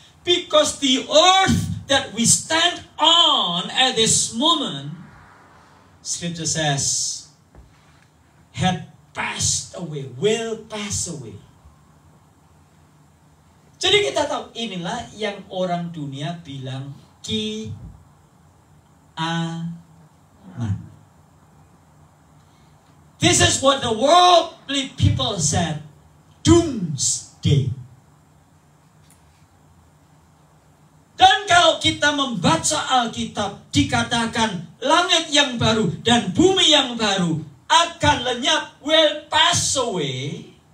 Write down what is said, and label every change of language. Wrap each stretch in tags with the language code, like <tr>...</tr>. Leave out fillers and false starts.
<en>Because the earth that we stand on at this moment, Scripture says, had passed away, will pass away.</en> <id>Jadi kita tahu inilah yang orang dunia bilang kiamat.</id> <en>This is what the worldly people said, doomsday.</en> <id>Dan kalau kita membaca Alkitab, dikatakan langit yang baru dan bumi yang baru akan lenyap,</id> <en>will pass away.</en>